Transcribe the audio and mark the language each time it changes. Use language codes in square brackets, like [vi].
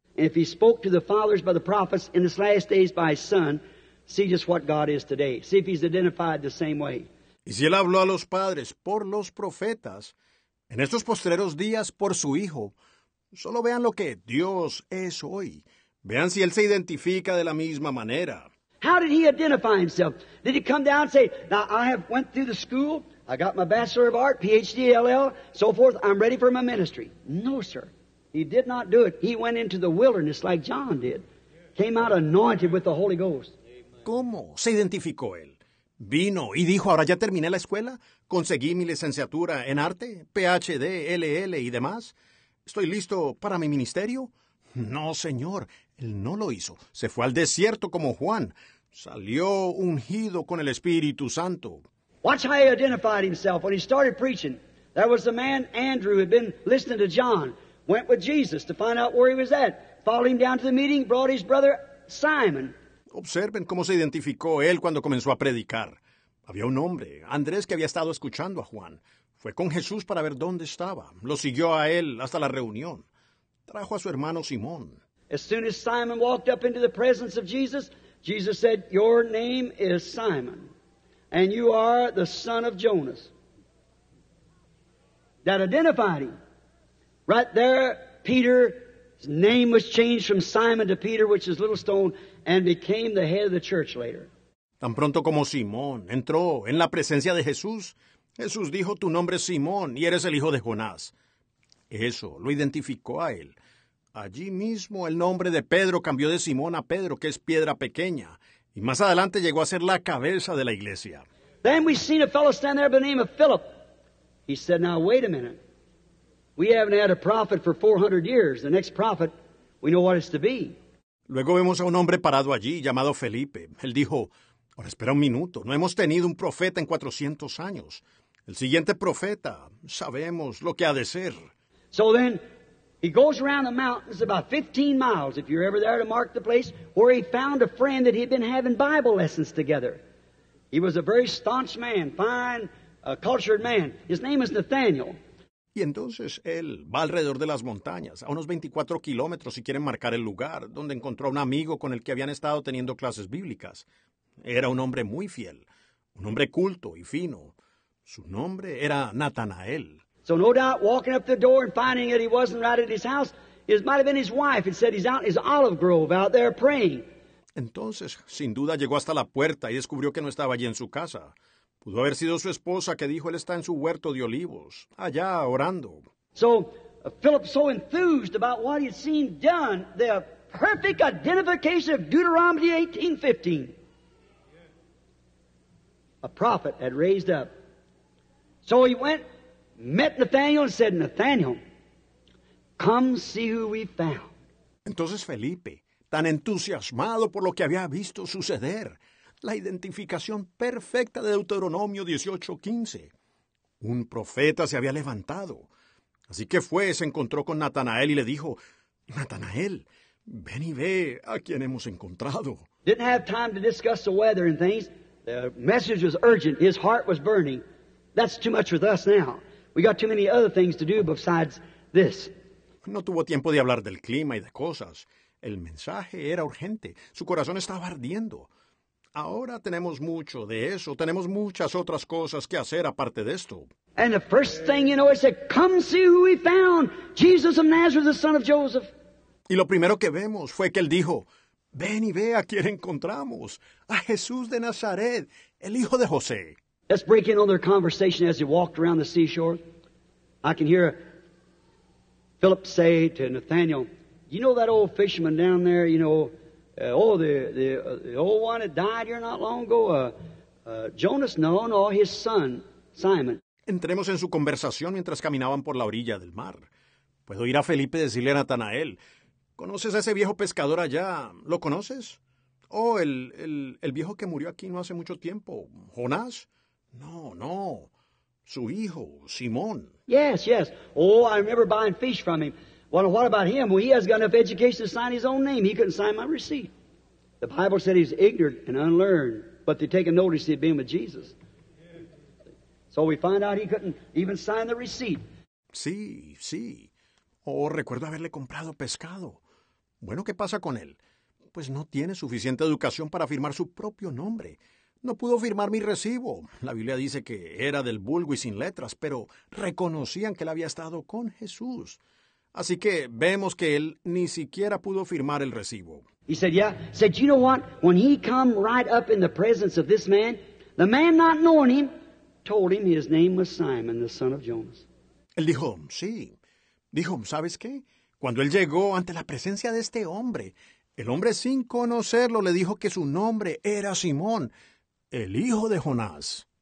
[en] If he spoke to the fathers by the prophets in his last days by his son, see just what God is today. See if he's identified the same way. [es] Y si él habló a los padres por los profetas, en estos postreros días por su hijo, solo vean lo que Dios es hoy. Vean si él se identifica de la misma manera. [en] How did he identify himself? Did he come down and say, now I have went through the school, I got my Bachelor of Art, PhD, LL, so forth, I'm ready for my ministry. No, sir. He did not do it. He went into the wilderness like John did. Came out anointed with the Holy Ghost. [es] ¿Cómo se identificó él? Vino y dijo, ahora ya terminé la escuela, conseguí mi licenciatura en arte, PhD, LL y demás. ¿Estoy listo para mi ministerio? No, señor, él no lo hizo. Se fue al desierto como Juan. Salió ungido con el Espíritu Santo. [en] Watch how he identified himself when he started preaching. There was a man, Andrew, who had been listening to John, went with Jesus to find out where he was at. Followed him down to the meeting, brought his brother Simon. [es] Observen cómo se identificó él cuando comenzó a predicar. Había un hombre, Andrés, que había estado escuchando a Juan. Fue con Jesús para ver dónde estaba. Lo siguió a él hasta la reunión. Trajo a su hermano Simón. [en] As soon as Simon walked up into the presence of Jesus, Jesus said, your name is Simon, and you are the son of Jonas. That identified him. Right there, Peter, his name was changed from Simon to Peter, which is Little Stone, and became the head of the church later. [es] Tan pronto como Simón entró en la presencia de Jesús, Jesús dijo, tu nombre es Simón y eres el hijo de Jonás. Eso lo identificó a él. Allí mismo el nombre de Pedro cambió de Simón a Pedro, que es piedra pequeña, y más adelante llegó a ser la cabeza de la iglesia. [en] Then we seen a fellow stand there by the name of Philip. He said, now wait a minute. We haven't had a prophet for 400 years. The next prophet, we know what it's to be. [es] Luego vemos a un hombre parado allí, llamado Felipe. Él dijo, ahora espera un minuto, no hemos tenido un profeta en 400 años. El siguiente profeta, sabemos lo que ha de ser. [en] So then, he goes around the mountains about 15 miles, if you're ever there to mark the place, where he found a friend that he'd been having Bible lessons together. He was a very staunch man, fine, cultured man. His name is Nathaniel. [es] Y entonces él va alrededor de las montañas, a unos 24 kilómetros, si quieren marcar el lugar, donde encontró a un amigo con el que habían estado teniendo clases bíblicas. Era un hombre muy fiel, un hombre culto y fino. Su nombre era Natanael. [en] So no doubt, walking up the door and finding that he wasn't right at his house, it might have been his wife, and said he's out in his olive grove out there praying. [es] Entonces, sin duda, llegó hasta la puerta y descubrió que no estaba allí en su casa. Pudo haber sido su esposa que dijo, él está en su huerto de olivos, allá orando. [en] So, Philip, so enthused about what he had seen done, the perfect identification of Deuteronomy 18:15. A prophet had raised up. So he went, met Nathanael and said, Nathanael, come see who we found. [es] Entonces Felipe, tan entusiasmado por lo que había visto suceder, la identificación perfecta de Deuteronomio 18:15. Un profeta se había levantado. Así que fue, se encontró con Natanael y le dijo, Natanael, ven y ve a quien hemos encontrado. [en] Didn't have time to discuss the weather and things. The message was urgent. His heart was burning. That's too much with us now. We got too many other things to do besides this. [es] No tuvo tiempo de hablar del clima y de cosas. El mensaje era urgente. Su corazón estaba ardiendo. Ahora tenemos mucho de eso. Tenemos muchas otras cosas que hacer aparte de esto. [en] And the first thing you know, he said, come see who we found. Jesus of Nazareth, the son of Joseph. [es] Y lo primero que vemos fue que él dijo, ven y ve a quién encontramos. A Jesús de Nazaret, el hijo de José. [en] Let's break in on their conversation as they walked around the seashore. I can hear Philip say to Nathanael, you know that old fisherman down there, you know, the old one that died here not long ago, Jonas, no, his son, Simon. [es] Entremos en su conversación mientras caminaban por la orilla del mar. Puedo ir a Felipe y decirle a Natanael, ¿conoces a ese viejo pescador allá? ¿Lo conoces? Oh, el viejo que murió aquí no hace mucho tiempo, Jonás. No, su hijo, Simón. [en] Yes. Oh, I remember buying fish from him. Well, what about him? Well, he has got enough education to sign his own name. He couldn't sign my receipt. The Bible said he's ignorant and unlearned, but they take a notice he'd been with Jesus. So we find out he couldn't even sign the receipt. [es] Sí. Oh, recuerdo haberle comprado pescado. Bueno, ¿qué pasa con él? Pues no tiene suficiente educación para firmar su propio nombre. No pudo firmar mi recibo. La Biblia dice que era del vulgo y sin letras, pero reconocían que él había estado con Jesús. Así que vemos que él ni siquiera pudo firmar el recibo. [en] He said, yeah. He said, you know what? When he come right up in the presence of this man, the man not knowing him, told him his name was Simon, the son of Jonas. [es] Él dijo, sí. Dijo, ¿sabes qué? Cuando él llegó ante la presencia de este hombre, el hombre sin conocerlo le dijo que su nombre era Simón, el hijo de Jonás.